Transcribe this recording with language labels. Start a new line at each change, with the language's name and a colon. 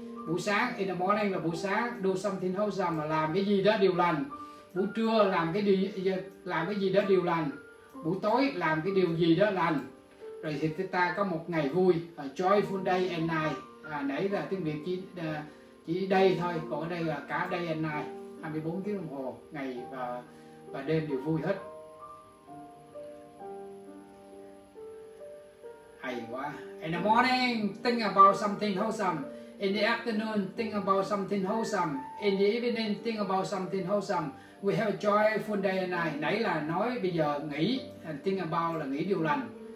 Vietnamese: Buổi sáng,
English: in the morning
Vietnamese: là buổi sáng,
English: do something wholesome
Vietnamese: là làm cái gì đó điều lành, buổi trưa làm cái gì đó điều lành, buổi tối làm cái điều gì đó lành, rồi thì ta có một ngày vui,
English: a joyful day and night.
Vietnamese: Nãy là tiếng Việt chỉ day thôi, còn ở đây là cả
English: day and night,
Vietnamese: 24 tiếng đồng hồ, ngày và đêm đều vui hết. Hay quá.
English: In the morning, think about something wholesome. In the afternoon, think about something wholesome. In the evening, think about something wholesome. We have a joyful day and night.
Vietnamese: Nãy là nói bây giờ nghĩ,
English: think about
Vietnamese: là nghĩ điều lành.